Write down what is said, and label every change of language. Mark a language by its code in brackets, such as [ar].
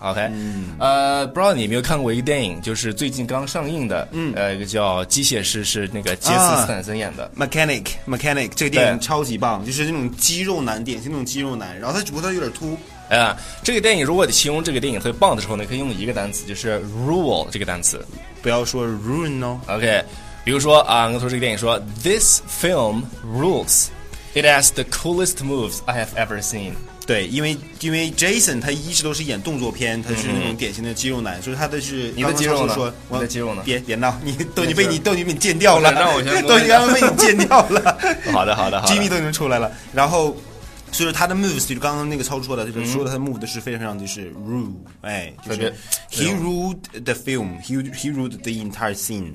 [zh] OK, 不知道你有没有看过一个电影，就是最近刚上映的，一个叫机械师，是那个杰斯斯坦森演的。 Mechanic, 这个电影超级棒，就是那种肌肉男，典型那种肌肉男，然后他只不过他有点秃。这个电影，如果你形容这个电影特别棒的时候呢，可以用一个单词，就是 rule 这个单词，不要说 ruin 哦。 [en] OK, [zh] 比如说啊，我说这个电影说 [en] This film rules, it has the coolest moves I have ever seen。 [zh] 对，因为 Jason 他一直都是演动作片，他是那种典型的肌肉男，所以他的是刚刚你的肌肉呢？说你的肌肉呢？别闹，你都已经被你剪掉了，让我先都已经被你剪掉了。好的，Jimmy 都已经出来了，然后。所以说他的 moves 就是刚刚那个操作的，就是说的他的 move 是非常非常就是 rule, 哎，就是 [en] he ruled the film, he ruled the entire scene.